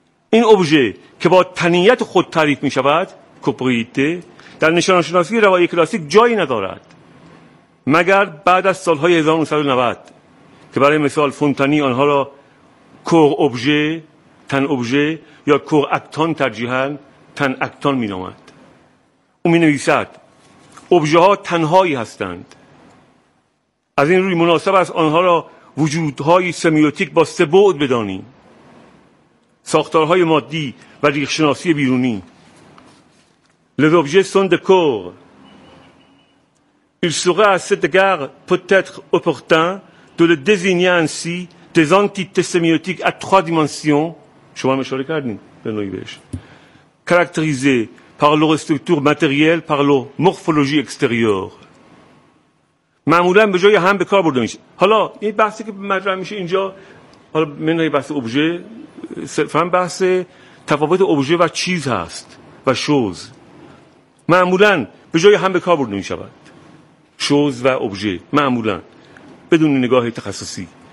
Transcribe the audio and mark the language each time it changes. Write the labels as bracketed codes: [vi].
[fa] این ابژه که با تنیت خود تعریف میشود کوپریته، در نشانه شناسی روایی کلاسیک جایی ندارد مگر بعد از سالهای 1990 که برای مثال فونتانی آنها را کور ابژه، تن ابژه یا کور اکتان ترجیحاً تن اکتان می نامد. او می نویسد ابژه ها تنهایی هستند، از این روی مناسب است آنها را وجودهای سمیوتیک با سه بعد بدانیم: ساختارهای مادی و ریخشناسی بیرونی. [fr] Les objets sont de corps. Il serait à cet égard peut-être opportun de le désigner ainsi des entités sémiotiques à trois dimensions, je vais me charger, caractérisées par leur structure matérielle, par leur morphologie extérieure. [fa] معمولاً به جای هم به کار برده میشه. حالا این بحثی که مطرح میشه اینجا، حالا من نه بحث ابژه، صرفاً بحث تفاوت ابژه و چیز هست و شوز. معمولاً به جای هم به کار برده می شود شوز و ابژه، معمولاً بدون نگاه تخصصی.